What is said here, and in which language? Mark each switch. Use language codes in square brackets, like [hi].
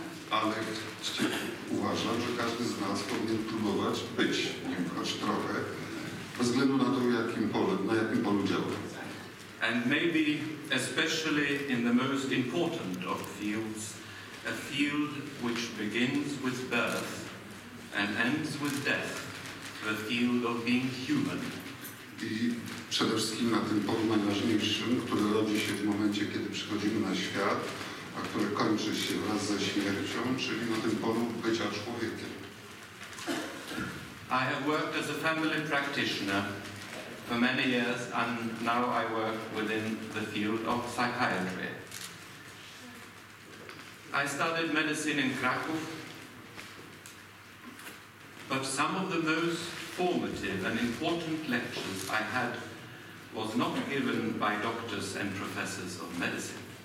[pl] Ale uważam, że każdy z nas powinien próbować być nim, choć trochę, bez względu na to, na jakim polu działa. [en] And maybe especially in the most important of fields, a field which begins with birth and ends with death, the field of being human. [pl] I przede wszystkim na tym polu najważniejszym, który rodzi się w momencie, kiedy przychodzimy na świat, a który kończy się wraz ze śmiercią, czyli na tym polu bycia człowiekiem. [en] I have worked as a family practitioner for many years and now I work within the field of psychiatry. I studied medicine in Krakow, but some of the most formative and important lectures I had was not given by doctors and professors of medicine.